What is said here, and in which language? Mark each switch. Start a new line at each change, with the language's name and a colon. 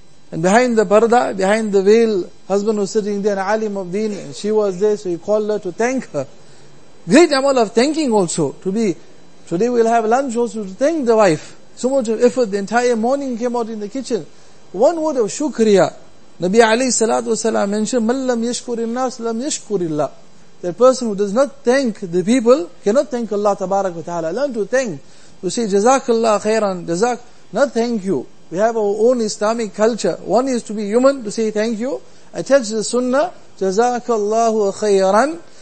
English: And behind the parda, behind the veil, husband was sitting there, an alim of deen, and she was there, so he called her to thank her. Great amal of thanking also, to be, today we'll have lunch also to thank the wife. So much of effort, the entire morning came out in the kitchen. One word of shukriya. Nabi alayhi salatu wasalam mentioned,
Arabic: مَنْ لَمْ يَشْكُرِ النَّاسِ لَمْ يَشْكُرِ اللَّهِ.
English: That person who does not thank the people, cannot thank Allah tabarak wa ta'ala. Learn to thank. To say, jazakallah khairan, jazak, not thank you. We have our own Islamic culture. One is to be human, to say thank you. Attach the sunnah, jazakallahu khairan.